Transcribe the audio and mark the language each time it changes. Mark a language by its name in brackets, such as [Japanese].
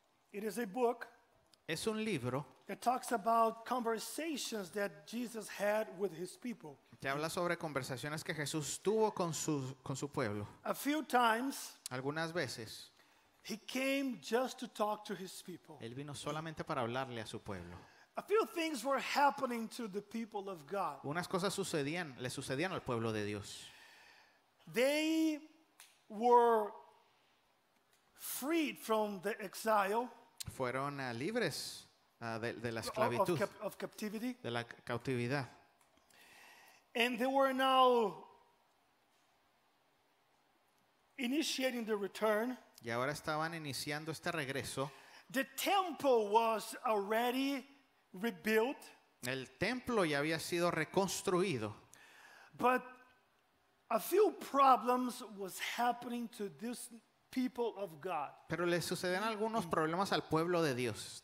[English] It is a book. [Spanish] Es un libro. [English] It talks about conversations that Jesus had with his people. [Spanish] Que habla sobre conversaciones que Jesús tuvo con su pueblo. [English] A few times. [Spanish] Algunas veces. [English] He came just to talk to his people. [Spanish] Él vino solamente para hablarle a su pueblo. [English] A few things were happening to the people of God. [Spanish] Unas cosas le sucedían al pueblo de Dios. [English] They were freed from the exile. [Spanish] Fueron libres de la esclavitud. [English] Of captivity. [Spanish] De la cautividad. [English] And they were now initiating the return. [Spanish] Y ahora estaban iniciando este regreso. [English] The temple was already rebuilt. [Spanish] El templo ya había sido reconstruido. [English] But a few problems was happening to this people of God. [Spanish] Pero le sucedían algunos problemas al pueblo de Dios.